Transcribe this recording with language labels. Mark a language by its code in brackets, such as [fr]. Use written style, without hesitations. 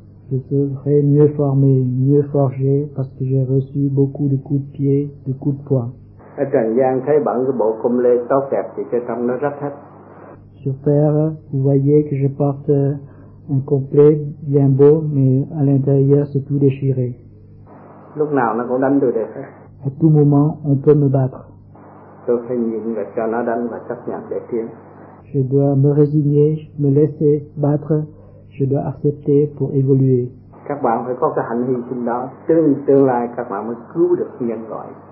[fr] Je serai mieux formé, mieux forgé parce que j'ai reçu beaucoup de coups de pied, de coups de poing. [vi] Ở trần gian thấy bận cái bộ cung lê tốt đẹp thì cái tâm nó rất thích. [fr] Sur terre, vous voyez que je porte un complet bien beau, mais à l'intérieur c'est tout déchiré. [vi] Lúc nào nó cũng đánh tôi đẹp. [fr] À tout moment, on peut me battre. [vi] Tôi phải nhịn và cho nó đánh và chấp nhận để tiến. [fr] Je dois me résigner, me laisser battre, je dois accepter pour évoluer. [vi] Các bạn phải có cái hạnh hy sinh đó, tương lai các bạn mới cứu được nhân loại.